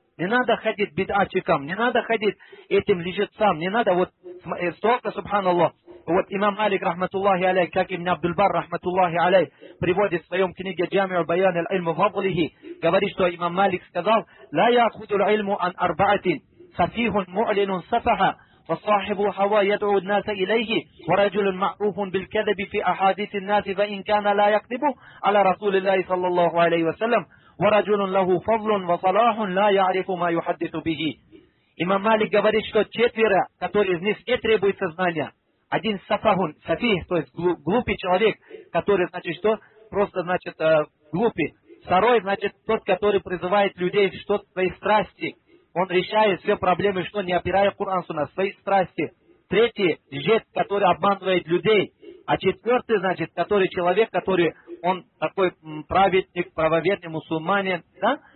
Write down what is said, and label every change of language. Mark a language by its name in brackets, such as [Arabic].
[Russian] Не надо ходить бидачикам, не надо ходить этим лжецам, не надо вот столько, субханаллах. Вот имам Малик, рахматуллахи алей, как ибн Абдул-Бар, рахматуллахи алей, приводит в своем книге «Джамиу Байян аль-Ильму Фаблихи», говорит, что имам Малик сказал, [Arabic] «Ла якуду аль-Ильму ан арбаатин, сафихун му'линун сафаха». فصاحب هوى يدعو الناس إليه ورجل معروف بالكذب في أحاديث الناس فإن كان لا يكذب على رسول الله صلى الله عليه وسلم ورجل له فضل وصلاح لا يعرف ما يحدث به. إمام مالك [Russian] говорит, что четверо, которые из них не требуют знания, один сафахун, сафих, то есть глупый человек, который, значит, что? Просто, значит, глупый. Второй, значит, тот, который призывает людей, что свои страсти. Он решает все проблемы, что не опирая Куран Сунна, свои страсти. Третий, лжец, который обманывает людей. А четвертый, значит, который человек, который, он такой праведник, правоверный, мусульманин, да?